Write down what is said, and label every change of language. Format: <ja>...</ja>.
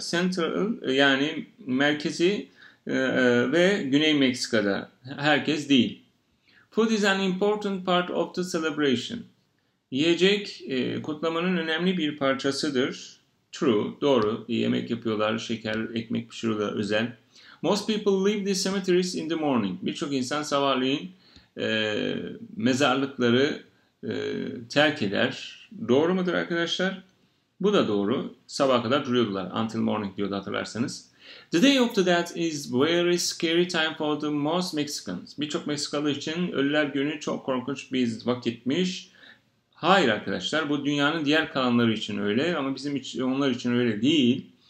<tr>Central, yani merkezi ve Güney Meksika'da herkes değil.</tr> <en>Food is an important part of the celebration.</en> <tr>Yiyecek kutlamanın önemli bir parçasıdır.</tr> <en>True,</en> <tr>doğru. Yemek yapıyorlar, şeker, ekmek pişiriyorlar özel.</tr> <en>Most people leave the cemeteries in the morning.</en> <tr>Birçok insan sabahleyin mezarlıkları terk eder. Doğru mudur arkadaşlar? Bu da doğru. Sabaha kadar duruyordular.</tr> <en>Until morning</en> <tr>diyordu hatırlarsanız.</tr> <en>The Day of the Dead is very scary time for the most Mexicans.</en> <tr>Birçok Meksikalı için ölüler günü çok korkunç bir vakitmiş. Hayır arkadaşlar, bu dünyanın diğer kalanları için öyle ama bizim için, onlar için öyle değil.</tr>